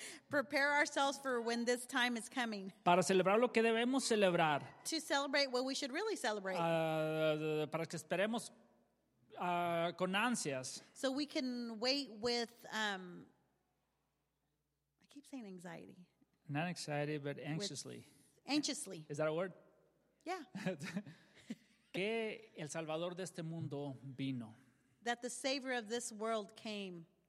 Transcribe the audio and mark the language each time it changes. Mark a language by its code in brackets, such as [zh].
[en] Prepare ourselves for when this time is coming. [es] Para celebrar lo que debemos celebrar. [en] To celebrate what we should really celebrate. [es] Para que esperemos con ansias. [en] So we can wait with, I keep saying anxiety. Not anxiety, but anxiously. Anxiously. Is that a word? Yeah. [es] Que el Salvador de este mundo vino. [en] That the Savior of this world came.